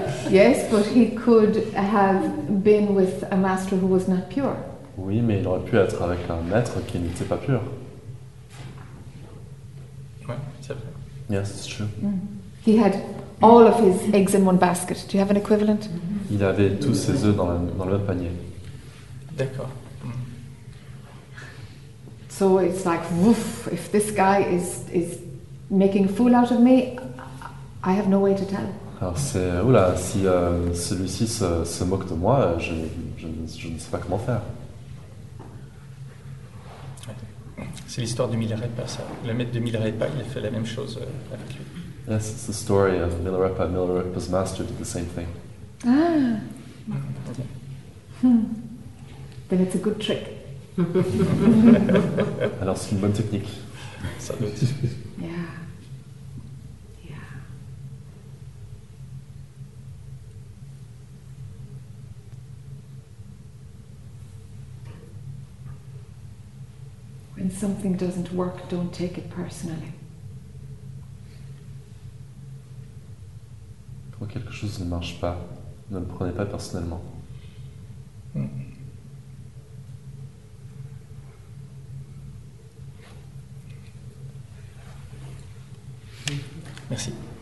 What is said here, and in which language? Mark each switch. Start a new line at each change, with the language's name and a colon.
English: Yes, but he could have been with a master who was not pure.
French: Oui, mais il aurait pu être avec un maître qui n'était pas pur. Ouais, c'est vrai.
English: Yes, it's true. Mm. He had all of his eggs in one basket. Do you have an equivalent? Mm-hmm.
French: Il avait tous ses œufs dans le même panier. D'accord.
English: So it's like, woof, if this guy is making a fool out of me, I have no way to tell.
French: Alors c'est, oula, si celui-ci se moque de moi, je ne sais pas comment faire. C'est l'histoire de Milarepa, ça. Le maître de Milarepa, il a fait la même chose avec lui.
English: Yes, it's the story of Milarepa. Milarepa's master did the same thing. Ah. Then it's a good trick.
French: Alors c'est une bonne technique. Ça doit être. Yeah.
English: When something doesn't work, don't take it personally.
French: Quand quelque chose ne marche pas, ne le prenez pas personnellement. Merci.